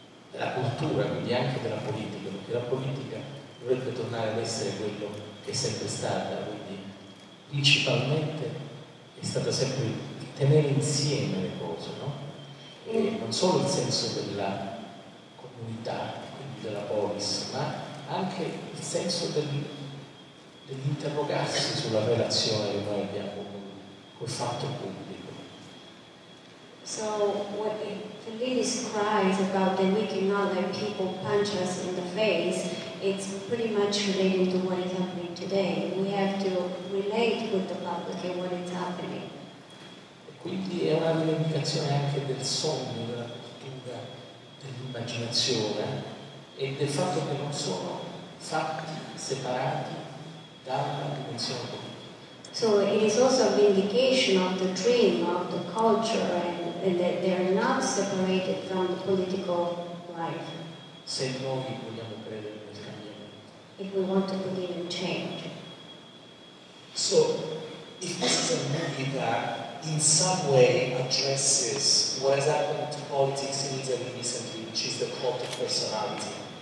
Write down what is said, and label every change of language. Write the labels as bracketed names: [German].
[Italian] della cultura, quindi anche della politica, perché la politica dovrebbe tornare ad essere quello che è sempre stata, quindi principalmente è stata sempre il tenere insieme le cose, no? E non solo il senso della comunità, quindi della polis, ma anche il senso dell'interrogarsi sulla relazione che noi abbiamo col fatto pubblico. [English] So what Fellini's cries about that we cannot let people punch us in the face, it's pretty much related to what is happening today. We have to relate with the public and what is happening. [Italian] E quindi è una rivendicazione anche del sogno, della cultura, dell'immaginazione e del fatto che non sono fatti separati dalla dimensione politica. [English] So it is also a vindication of the dream, of the culture, and that they are not separated from the political life. [Italian] Se noi vogliamo credere nel cambiamento. [English] If we want to believe in change. So if this is a movie that in some way addresses what has happened to politics in Italy recently, which is the cult of personality.